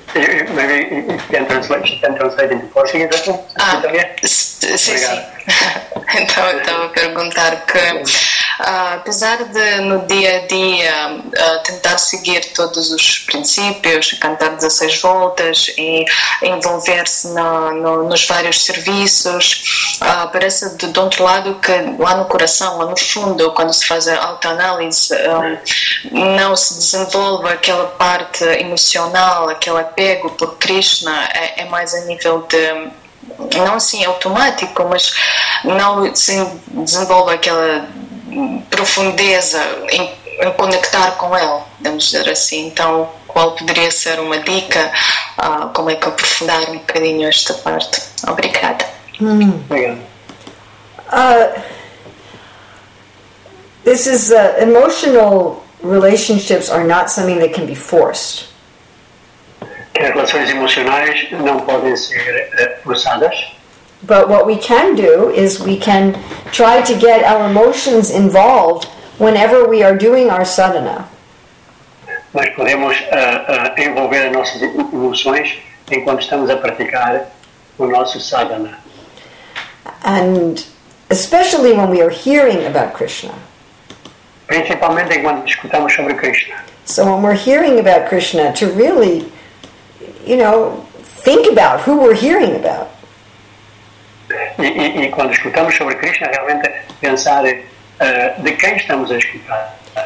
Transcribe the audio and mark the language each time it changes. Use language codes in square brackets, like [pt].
[en] Maybe you can translate into Portuguese, I think. [pt] Então, eu vou perguntar que, apesar de no dia a dia tentar seguir todos os princípios, cantar 16 voltas e envolver-se nos vários serviços, parece de outro lado que lá no coração, lá no fundo, quando se faz a autoanálise, não se desenvolve aquela parte emocional, aquele apego por Krishna, é mais a nível de... Não assim automático, mas não se desenvolve aquela profundeza em conectar com ele, vamos dizer assim. Então, qual poderia ser uma dica, como é que aprofundar um bocadinho esta parte? Obrigada. [en] This is emotional relationships are not something that can be forced. [pt] Que as relações emocionais não podem ser forçadas. [en] But what we can do is we can try to get our emotions involved whenever we are doing our sadhana. [pt] Mas podemos envolver as nossas emoções enquanto estamos a praticar o nosso sadhana. [en] And especially when we are hearing about Krishna. [pt] Principalmente enquanto escutamos sobre Krishna. [en] So when we're hearing about Krishna, to really... You know, think about who we're hearing about. [pt] E quando escutamos sobre Krishna, realmente pensar de quem estamos a escutar.